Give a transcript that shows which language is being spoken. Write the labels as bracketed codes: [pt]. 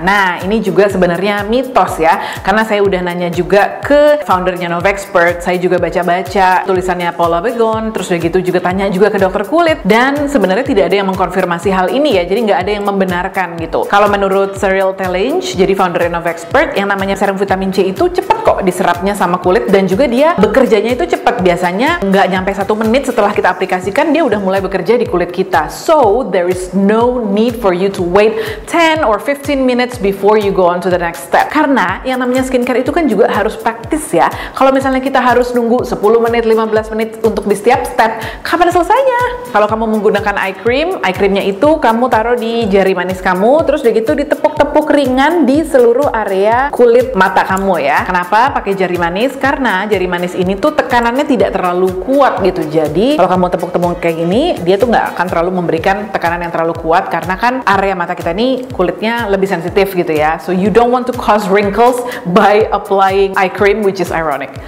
[id] Nah, ini juga sebenarnya mitos ya, karena saya udah nanya juga ke foundernya Novexpert, saya juga baca-baca tulisannya Paula Begon, terus udah gitu juga tanya juga ke dokter kulit, dan sebenarnya tidak ada yang mengkonfirmasi hal ini ya, jadi nggak ada yang membenarkan gitu. Kalau menurut Cyril Telinch, jadi founder Novexpert, yang namanya serum vitamin C itu cepat kok diserapnya sama kulit, dan juga dia bekerjanya itu cepat, biasanya nggak nyampe 1 menit setelah kita aplikasikan dia udah mulai bekerja di kulit kita. [en] So, there is no need for you to wait 10 or 15 minutes before you go on to the next step. [id] Karena yang namanya skincare itu kan juga harus praktis ya. Kalau misalnya kita harus nunggu 10 menit, 15 menit untuk di setiap step, kapan selesainya? Kalau kamu menggunakan eye creamnya itu kamu taruh di jari manis kamu, terus udah gitu ditepuk-tepuk ringan di seluruh area kulit mata kamu ya. Kenapa pakai jari manis? Karena jari manis ini tuh tekanannya tidak terlalu kuat gitu. Jadi, kalau kamu tepuk-tepuk kayak gini, dia tuh nggak akan terlalu memberikan tekanan yang terlalu kuat, karena kan area mata kita ini kulitnya lebih sensitif gitu ya. [en] So you don't want to cause wrinkles by applying eye cream, which is ironic.